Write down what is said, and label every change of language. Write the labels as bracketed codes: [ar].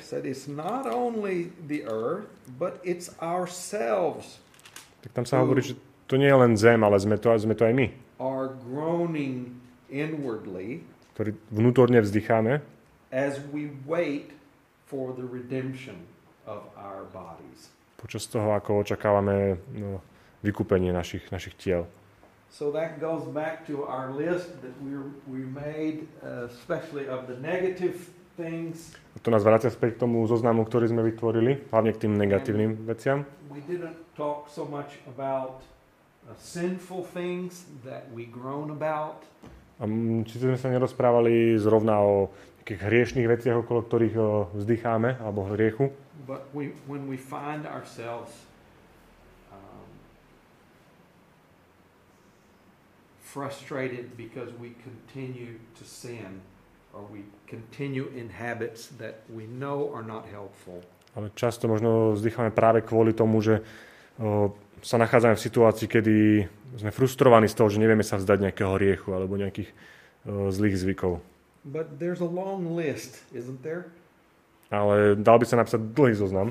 [en] Said it's not only the earth, but it's ourselves. [sk] Tak tam sa hovorí, že to nie je len zem, ale sme to aj my. [en] Are groaning inwardly. [sk] Ktorý vnútorne vzdycháme. [en] As we wait for the redemption of our bodies. [sk] Počas toho, ako očakávame vykúpenie našich tiel. [en] So that goes back to our list that we made especially of the negative things. [sk] To nás vracia späť k tomu zoznamu, ktorý sme vytvorili, hlavne k tým negatívnym veciam. [en] We didn't talk so much about sinful things that we groan about. [sk] Čiže sme sa nerozprávali zrovna o nejakých hriešných veciach, okolo ktorých vzdycháme, alebo hriechu. [en] But when we find ourselves frustrated because we continue to sin or we continue in habits that we know are not helpful. [sk] Ale často možno vzdychame práve kvôli tomu, že sa nachádzame v situácii, kedy sme frustrovaní z toho, že nevieme sa vzdať nejakého hriechu alebo nejakých zlých zvykov. [en] But there's a long list, isn't there? [sk] Ale dal by sa napísať dlhý zoznam.